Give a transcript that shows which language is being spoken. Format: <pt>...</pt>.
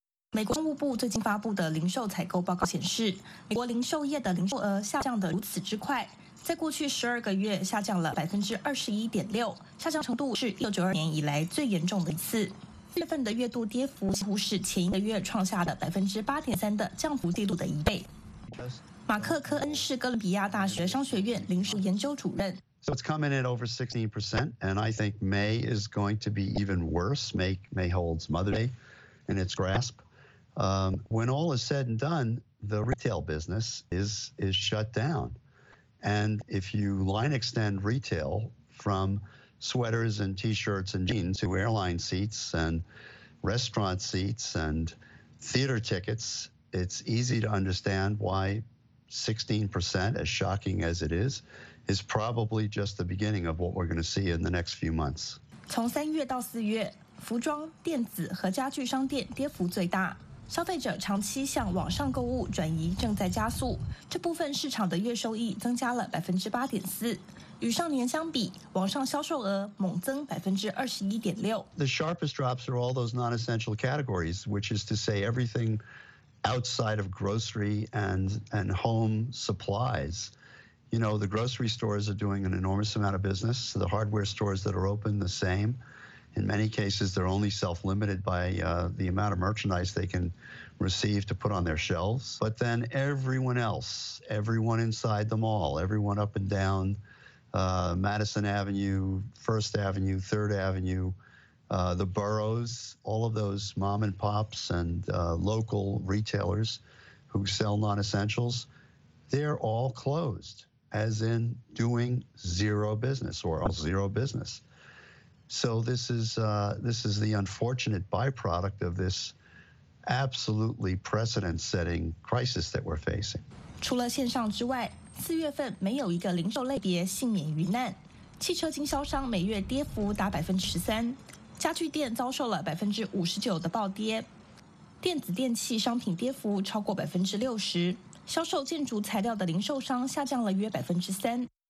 <zh>美国商务部最近发布的零售采购报告显示，美国零售业的零售额下降得如此之快，在过去12个月下降了21.6%，下降程度是1992年以来最严重的一次。月份的月度跌幅几乎是前一个月创下的8.3%的降幅记录的一倍。马克·科恩是哥伦比亚大学商学院零售研究主任。</zh> <en>So it's coming in over 16%, and I think May is going to be even worse. May holds Mother's Day in its grasp. When all is said and done, the retail business is shut down. And if you line extend retail from sweaters and T-shirts and jeans to airline seats and restaurant seats and theater tickets, it's easy to understand why 16%, as shocking as it is probably just the beginning of what we're going to see in the next few months.</en> <zh>从三月到四月，服装、电子和家具商店跌幅最大。消费者长期向网上购物转移正在加速，这部分市场的月收益增加了8.4%。与上年相比，网上销售额猛增21.6%。</zh> <en>The sharpest drops are all those non-essential categories, which is to say everything. Outside of grocery and home supplies. You know, the grocery stores are doing an enormous amount of business. So the hardware stores that are open, the same. In many cases, they're only self-limited by the amount of merchandise they can receive to put on their shelves. But then everyone else, everyone inside the mall, everyone up and down Madison Avenue, First Avenue, Third Avenue,the boroughs, all of those mom and pops and local retailers who sell non-essentials, they're all closed, as in doing zero business or zero business. So this is the unfortunate byproduct of this absolutely precedent-setting crisis that we're facing.</en> <zh>除了线上之外，四月份没有一个零售类别幸免于难。汽车经销商每月跌幅达13%，家具店遭受了59%的暴跌，电子电器商品跌幅超过60%，销售建筑材料的零售商下降了约3%。</zh>